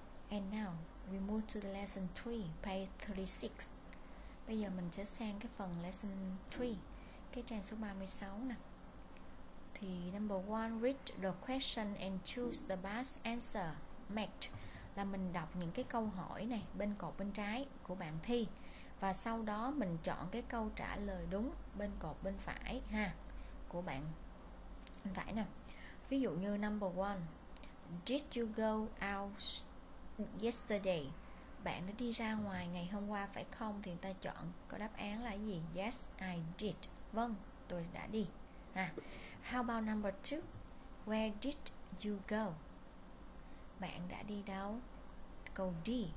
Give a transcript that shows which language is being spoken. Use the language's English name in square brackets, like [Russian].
[English] And now, we move to the lesson 3, page 36. [Vietnamese] Bây giờ mình sẽ sang cái phần lesson 3, cái trang số 36 nè. [English] Thì number 1, read the question and choose the best answer. [Vietnamese] Match là mình đọc những cái câu hỏi này bên cột bên trái của bạn thi. Và sau đó mình chọn cái câu trả lời đúng bên cột bên phải ha của bạn. Bên phải nè. Ví dụ như [English] number 1, did you go out yesterday? [Vietnamese] Bạn đã đi ra ngoài ngày hôm qua phải không? Thì người ta chọn có đáp án là gì? [English] Yes, I did. [Vietnamese] Vâng, tôi đã đi. [English] How about number 2? Where did you go? [Vietnamese] Bạn đã đi đâu? Câu D.